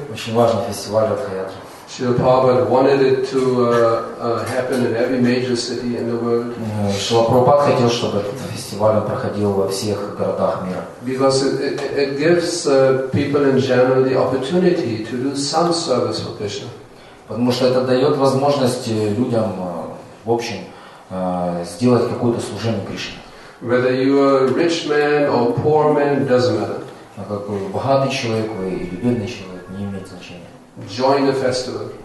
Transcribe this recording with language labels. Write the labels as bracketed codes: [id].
[ru] Очень важный фестиваль Ратха Ятры. [en] Шрила Прабхупада wanted it to happen in every major city in the world. [ru] Шрила Прабхупада хотел, чтобы этот фестиваль проходил во всех городах мира. [en] Because it gives people in general the opportunity to do some service for Krishna. [ru] Потому что это дает возможность людям в общем сделать какое-то служение Кришне. [en] Whether you are a rich man or a poor man, it doesn't matter. [ru] А какой богатый человек вы или бедный человек, не имеет значения. [en] Join the festival.